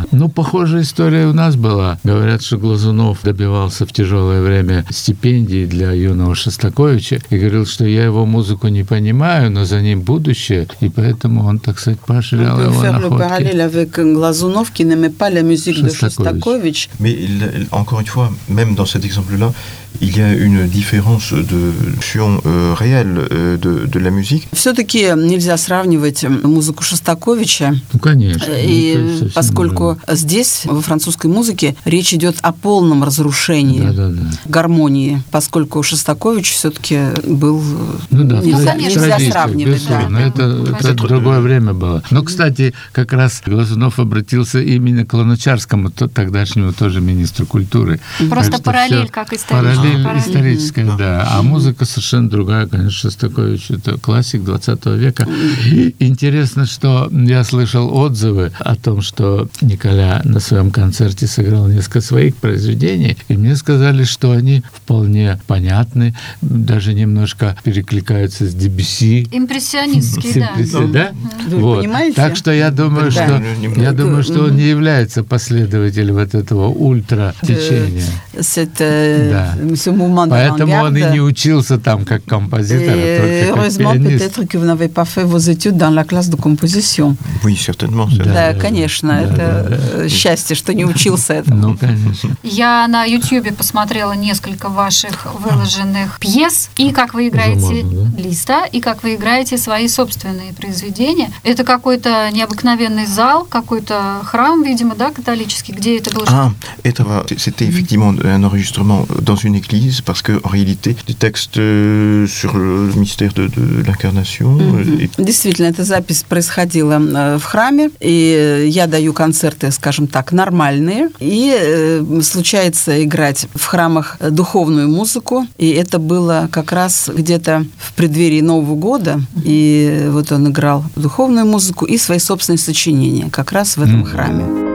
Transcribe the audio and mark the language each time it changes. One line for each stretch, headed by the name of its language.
Russian: Ну, похожая история у нас была. Говорят, что Глазунов добивался в тяжелое время стипендии для юного Шостаковича и говорил, что я его музыку не понимаю, но за ним будущее, и поэтому он, так сказать, поощрял его находки. Мы параллели с Глазуновым, который не любит музыку Шостаковича. Но,
French: encore une fois, même dans cet exemple-là, il y a une différence de notion réelle de la musique.
Russian: Все-таки нельзя сравнивать музыку Шостаковича. Ну, конечно. И поскольку здесь, во французской музыке, речь идет о полном разрушении гармонии, поскольку Шостакович все-таки был... Нельзя сравнивать. Это другое время было. Но, кстати, как раз Глазунов обратился именно к Луначарскому, тогдашнему тоже министру культуры. Просто так, параллель, все, как историческая. Историческая, да. А музыка совершенно другая, конечно, Шостакович. Это классик 20 века. Интересно, что я слышал отзывы о том, что Николя на своем концерте сыграл несколько своих произведений, и мне сказали, что они вполне понятны, даже немножко перекликаются с Дебюсси. Импрессионистские. Вот. Так что я думаю, что, я думаю, что он не является последователем вот этого ультра-течения. Да. Поэтому он и не учился там как композитор, а только как пианист.
French: Peut-être que vous n'avez pas fait vos études dans la classe de composition. Oui, certainement.
Russian: Да, конечно, это счастье, что не учился этому. Ну, конечно. Я на YouTube посмотрела несколько ваших выложенных пьес, и как вы играете Листа, и как вы играете свои собственные произведения. Это какой-то необыкновенный зал, какой-то храм, видимо, да, католический, где это было? А, это
French: c'était effectivement un enregistrement dans une église, parce que en réalité, des textes sur le mystère de l'incarnation. Mm-hmm.
Russian: Действительно, эта запись происходила в храме, и я даю концерты, скажем так, нормальные, и случается играть в храмах духовную музыку, и это было как раз где-то в преддверии Нового года, и вот он играл духовную музыку и свои собственные сочинения как раз в этом храме.